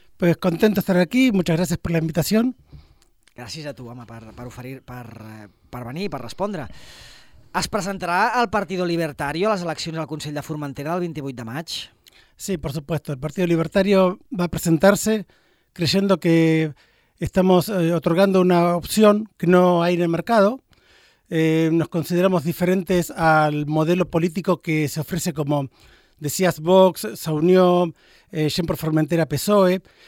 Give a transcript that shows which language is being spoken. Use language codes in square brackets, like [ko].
[es] Pues contento de estar aquí, muchas gracias por la invitación. [ca] Gràcies a tu, home, per venir i per respondre. [es] ¿Es presentará al Partido Libertario a las elecciones al Consejo de Formentera el 28 de maig? Sí, por supuesto. El Partido Libertario va a presentarse creyendo que estamos otorgando una opción que no hay en el mercado. Nos consideramos diferentes al modelo político que se ofrece, como decías, Vox, Saunió, Gent por Formentera, PSOE.